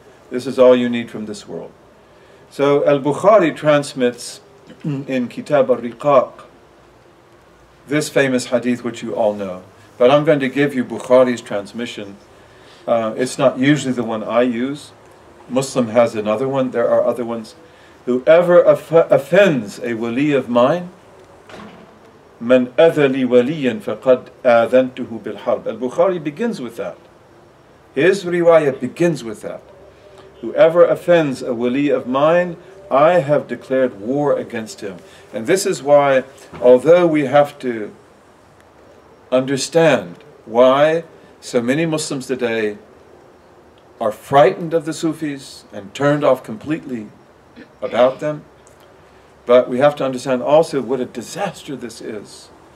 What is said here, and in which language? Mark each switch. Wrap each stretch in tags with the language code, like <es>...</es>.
<en>This is all you need from this world. So Al-Bukhari transmits in Kitab al-Riqaq this famous hadith, which you all know. But I'm going to give you Bukhari's transmission. It's not usually the one I use. Muslim has another one. There are other ones. Whoever offends a wali of mine,</en> <ar>من أذى لي وليا فقد آذنته بالحرب.</ar> <en>Al-Bukhari begins with that. His riwayah begins with that. Whoever offends a wali of mine, I have declared war against him. And this is why, although we have to understand why so many Muslims today are frightened of the Sufis and turned off completely about them, but we have to understand also what a disaster this is.</en>